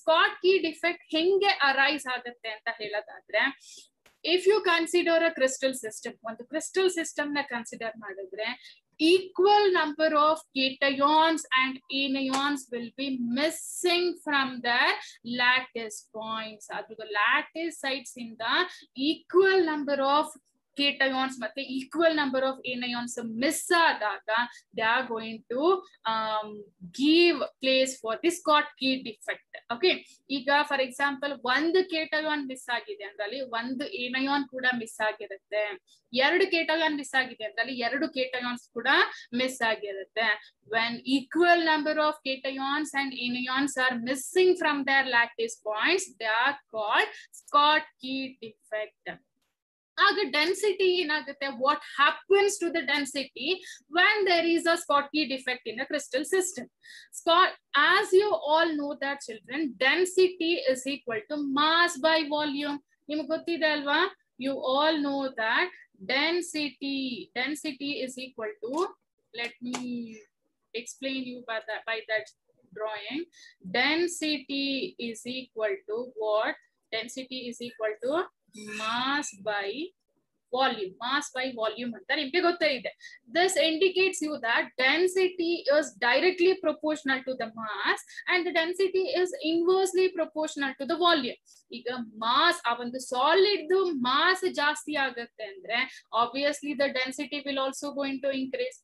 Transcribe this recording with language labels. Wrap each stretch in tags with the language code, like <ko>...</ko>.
<en>Schottky defect</en> <kn>henge arise agutte anta heladaga,</kn> <en>if you consider a crystal system, when the crystal system</en> <kn>na consider madidre,</kn> <en>equal number of cations and anions will be missing from the lattice points.</en> <kn>Adu</kn> <en>the lattice sites in the equal number of cations</en> <kn>matte</kn> <en>equal number of anions</en> <kn>miss aadaga,</kn> <en>they are going to give place for this Schottky defect.</en> <kn>Okay, ಈಗ for example ಒಂದು ಕೇಟಲಾನ್ miss ಆಗಿದೆ ಅಂದ್ರಲ್ಲಿ ಒಂದು ಏನಯಾನ್ ಕೂಡ miss ಆಗಿರುತ್ತೆ, ಎರಡು ಕೇಟಲಾನ್ miss ಆಗಿದೆ ಅಂದ್ರಲ್ಲಿ ಎರಡು cations ಕೂಡ ಮಿಸ್ ಆಗಿರುತ್ತೆ.</kn> <en>When equal number of cations and anions are missing from their lattice points, they are called Schottky defect.</en> <kn>ಆಗ ಡೆನ್ಸಿಟಿ ಏನಾಗುತ್ತೆ,</kn> <en>What happens to the density when there is a Schottky defect in a crystal system. Schott, as you all know that children, density is equal to mass by volume.</en> <kn>ನಿಮ್ಗೆ ಗೊತ್ತಿದೆ ಅಲ್ವಾ,</kn> <en>You all know that density is equal to, let me explain you by that drawing. Density is equal to what? Density is equal to mass by volume.</en> <kn>Mass by volume anta nimge gottide.</kn> <en>This indicates you that density is directly proportional to the mass and the density is inversely proportional to the volume.</en> <kn>Iga mass avandu solid do mass jaasti agutte andre</kn> <en>obviously the density will also going to increase.</en>